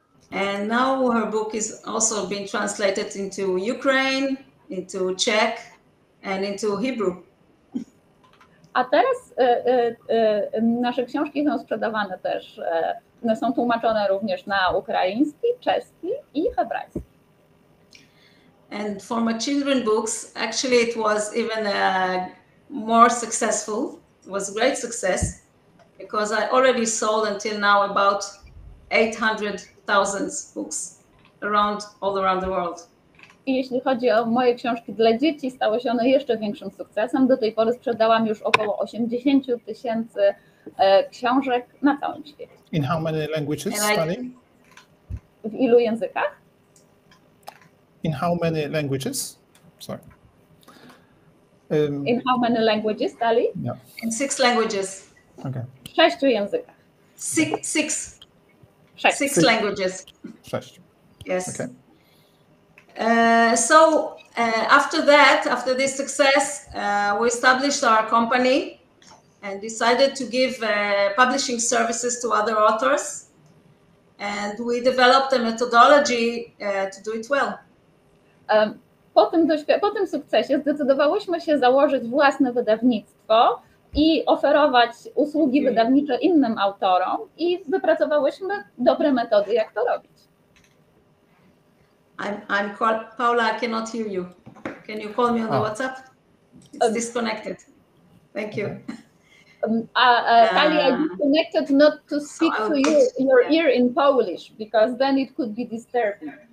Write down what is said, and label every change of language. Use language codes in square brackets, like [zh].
[en] And now her book is also been translated into Ukraine, into Czech and into Hebrew. [pl] A teraz nasze książki są sprzedawane też, są tłumaczone również na ukraiński, czeski i hebrajski. [en] And for my children books, actually it was even more successful. It was great success because I already sold until now about 800,000 books around all around the world. [pl] I jeśli chodzi o moje książki dla dzieci, stało się one jeszcze większym sukcesem. Do tej pory sprzedałam już około 80,000 książek na całym świecie. [en] In how many languages, Pani? [pl] W ilu językach? [en] In how many languages? Sorry. In how many languages, Dali? Yeah. In 6 languages. Okay. [pl] 6 językach. [en] Six languages. [pl] 6. [en] Yes. Okay. So after that, after this success, we established our company and decided to give publishing services to other authors. And we developed a methodology to do it well. [pl] Po tym sukcesie zdecydowałyśmy się założyć własne wydawnictwo i oferować usługi wydawnicze innym autorom i wypracowałyśmy dobre metody, jak to robić. [en] I'm called Paula, I cannot hear you. Can you call me on the WhatsApp? It's disconnected. Thank you. Dalia, disconnected not to speak to you, your ear in Polish, because then it could be disturbing.